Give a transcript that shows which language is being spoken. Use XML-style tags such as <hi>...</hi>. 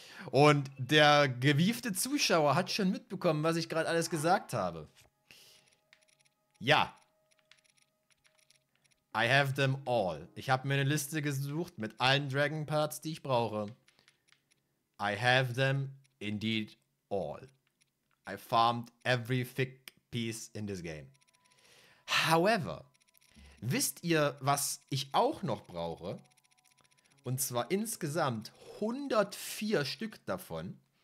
<de>Und der gewiefte Zuschauer hat schon mitbekommen, was ich gerade alles gesagt habe. Ja.</de> <en>I have them all.</en> <de>Ich habe mir eine Liste gesucht mit allen Dragon Parts, die ich brauche.</de> <en>I have them indeed all. I farmed every thick piece in this game.</en> <de>However, wisst ihr, was ich auch noch brauche? Und zwar insgesamt 104 Stück davon.</de>